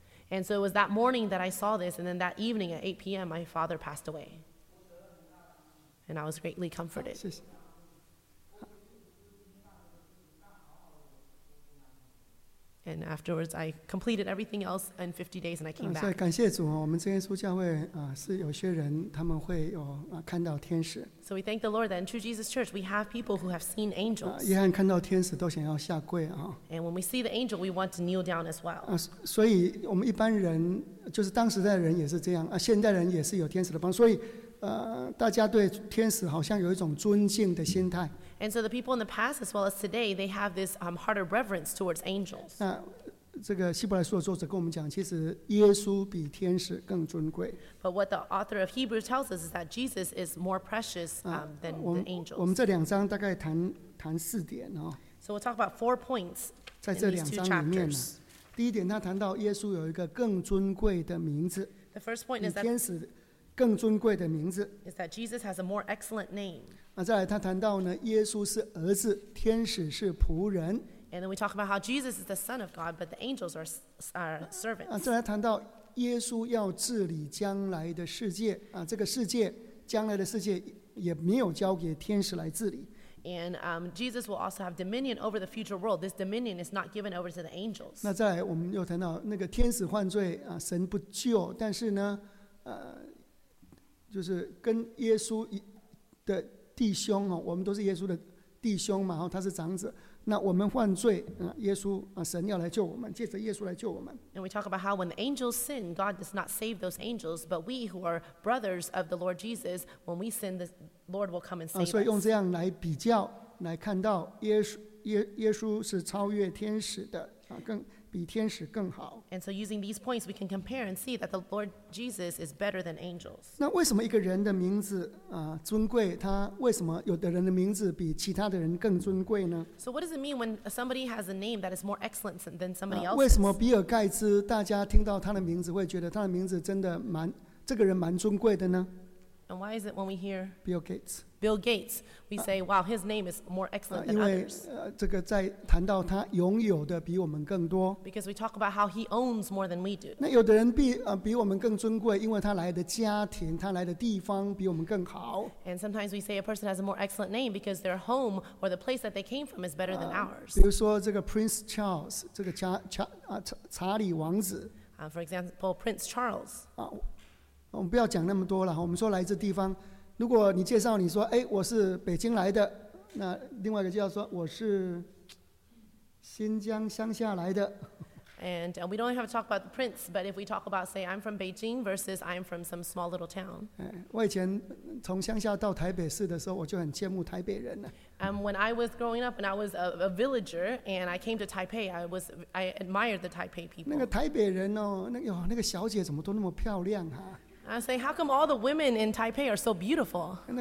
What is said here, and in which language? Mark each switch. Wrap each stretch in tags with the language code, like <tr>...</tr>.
<en>And so it was that morning that I saw this, and then that evening at 8 p.m., my father passed away. And I was greatly comforted. And afterwards, I completed everything else in 50 days, and I came back.</en> <zh>所以感谢主，我们这耶稣教会是有些人他们会有看到天使。</zh> <en>So we thank the Lord that in True Jesus Church we have people who have seen angels.</en> <zh>约翰看到天使都想要下跪啊。</zh> <en>And when we see the angel, we want to kneel down as well.</en> <zh>所以我们一般人就是当时代的人也是这样啊，现代人也是有天使的帮助，所以大家对天使好像有一种尊敬的心态。</zh> <en>And so the people in the past as well as today, they have this heart of reverence towards angels.</en> <zh>那这个希伯来书的作者跟我们讲，其实耶稣比天使更尊贵。</zh> <en>But what the author of Hebrews tells us is that Jesus is more precious than the angels.</en> <zh>我们这两章大概谈四点哦。</zh> <en>So we'll talk about four points in these two chapters.</en> <zh>第一点, 他谈到耶稣有一个更尊贵的名字,</zh> <en>the first point is that</en> <zh>更尊贵的名字,</zh> <en>is that Jesus has a more excellent name.</en> <zh>再来他谈到呢, 耶稣是儿子, 天使是仆人,</zh> <en>and then we talk about how Jesus is the Son of God, but the angels are servants.</en> <zh>再来谈到耶稣要治理将来的世界, 这个世界, 将来的世界也没有交给天使来治理。</zh> <en>And Jesus will also have dominion over the future world. This dominion is not given over to the angels.</en> <zh>那再来我们又谈到那个天使犯罪, 神不救, 但是呢, 就是跟耶稣的弟兄, 我们都是耶稣的弟兄嘛, 他是长子, 那我们犯罪, 耶稣, 神要来救我们, 借着耶稣来救我们。</zh> <en>And we talk about how when the angels sin, God does not save those angels, but we who are brothers of the Lord Jesus, when we sin, the Lord will come and save us.</en> <zh>所以用这样来比较, 来看到耶稣是超越天使的, 比天使更好。</zh> <en>And so using these points, we can compare and see that the Lord Jesus is better than angels.</en> <zh>那为什么一个人的名字, 尊贵, 他为什么有的人的名字比其他的人更尊贵呢?</zh> <en>So what does it mean when somebody has a name that is more excellent than somebody else's?</en> <zh>为什么比尔盖茨, 大家听到他的名字, 会觉得他的名字真的蛮, 这个人蛮尊贵的呢?</zh> <en>And why is it when we hear Bill Gates? Bill Gates, we say, wow, his name is more excellent than</en> <zh>因为,</zh> <en>others.</en> <zh>这个在谈到他拥有的比我们更多。</zh> <en>Because we talk about how he owns more than we do.</en> <zh>那有的人比, 比我们更尊贵, 因为他来的家庭, 他来的地方比我们更好。</zh> <en>And sometimes we say a person has a more excellent name because their home or the place that they came from is better than ours.</en> <zh>比如说这个 Prince Charles, 这个查理王子。</zh> <en>For example, Prince Charles.</en> <zh>我们不要讲那么多了, 我们说来自地方。如果你介绍你说, 诶, 我是北京来的, 那另外一个就要说, 我是新疆乡下来的。</zh> <en>And we don't have to talk about the prince, but if we talk about, say, I'm from Beijing versus I'm from some small little town.</en> <zh>我以前从乡下到台北市的时候, 我就很羡慕台北人了。</zh> <en>When I was growing up and I was a villager and I came to Taipei, I admired the Taipei people.</en> <zh>那个台北人哦, 那个小姐怎么都那么漂亮啊。</zh> <en>I say, how come all the women in Taipei are so beautiful?</en>